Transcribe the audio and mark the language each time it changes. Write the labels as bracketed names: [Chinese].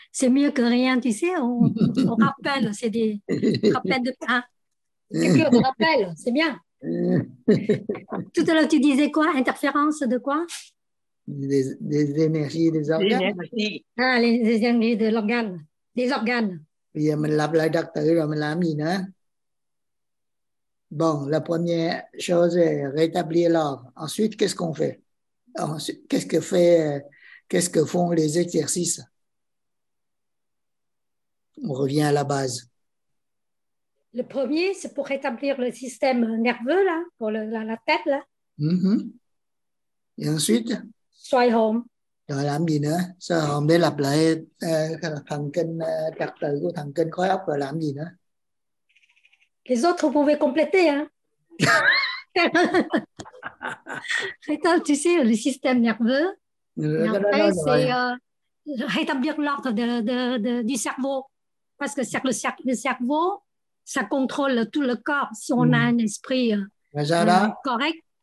[French] C'est mieux que rien, tu sais. On rappelle, c'est des rappels de pain. C'est mieux que rappel, c'est bien. Tout à l'heure, tu disais quoi? Interférence de quoi? Des énergies des organes. Les énergies de l'organe. Des organes. [Vietnamese] Bây giờ mình lập lại trật tự rồi mình làm gì nữa? [French] Bon, la première chose est rétablir l'ordre. Ensuite, qu'est-ce qu'on fait? Ensuite, qu'est-ce que font les exercices? On revient à la base. Le premier, c'est pour rétablir le système nerveux, là, pour la tête. Là. Mm-hmm. Et ensuite? Soi home. [Vietnamese] Rồi làm gì nữa? Soi home để lập lại thần kinh trật tự của thần kinh khối óc, rồi làm gì nữa? [French] Les autres, vous pouvez compléter. Rétablir, tu sais, le système nerveux. Après, c'est rétablir l'ordre du cerveau. Parce que c'est le cerveau, ça contrôle tout le corps si on a un esprit correct.